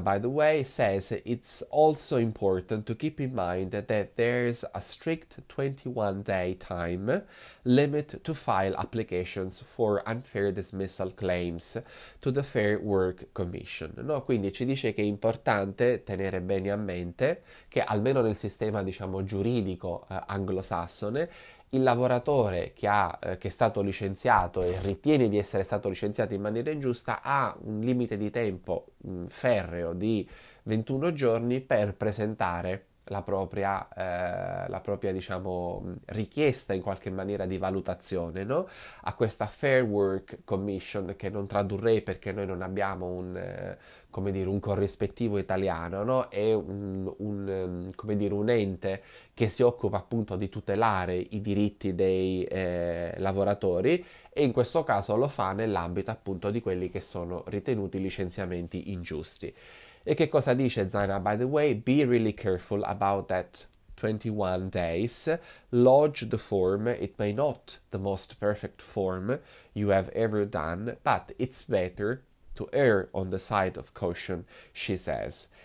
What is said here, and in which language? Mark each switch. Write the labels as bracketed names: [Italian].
[English] By the way, says it's also important to keep in mind that there's a strict 21-day time limit to file applications for unfair dismissal claims to the Fair Work Commission. [Italian] No? Quindi ci dice che è importante tenere bene a mente che almeno nel sistema, diciamo, giuridico anglosassone, il lavoratore che è stato licenziato e ritiene di essere stato licenziato in maniera ingiusta ha un limite di tempo ferreo di 21 giorni per presentare la propria, diciamo, richiesta in qualche maniera di valutazione, no? A questa Fair Work Commission, che non tradurrei perché noi non abbiamo come dire, un corrispettivo italiano, no? È come dire, un ente che si occupa appunto di tutelare i diritti dei lavoratori, e in questo caso lo fa nell'ambito appunto di quelli che sono ritenuti licenziamenti ingiusti. E che cosa dice Zaina? [English] By the way, be really careful about that 21 days. Lodge the form. It may not be the most perfect form you have ever done, but it's better to err on the side of caution, she says.